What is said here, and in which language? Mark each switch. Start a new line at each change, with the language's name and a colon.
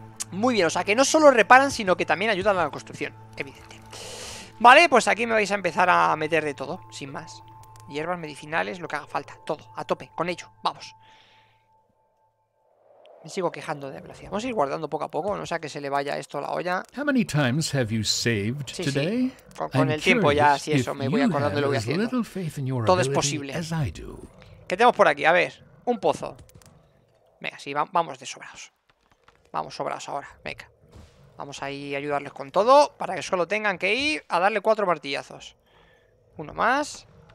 Spanish: Muy bien, o sea que no solo reparan, sino que también ayudan a la construcción. Evidente. Vale, pues aquí me vais a empezar a meter de todo. Sin más. Hierbas, medicinales, lo que haga falta. Todo, a tope, con ello, vamos. Me sigo quejando de gracia. Vamos a ir guardando poco a poco, no sea que se le vaya esto a la olla.
English: How many times have you saved today?
Spanish: Sí, sí. Con el tiempo ya, si eso, me voy acordando de lo que voy haciendo. Todo es posible. ¿Qué tenemos por aquí? A ver, un pozo. Venga, sí, vamos de sobrados. Vamos sobrados ahora, venga. Vamos ahí a ayudarles con todo. Para que solo tengan que ir a darle cuatro martillazos. Uno más.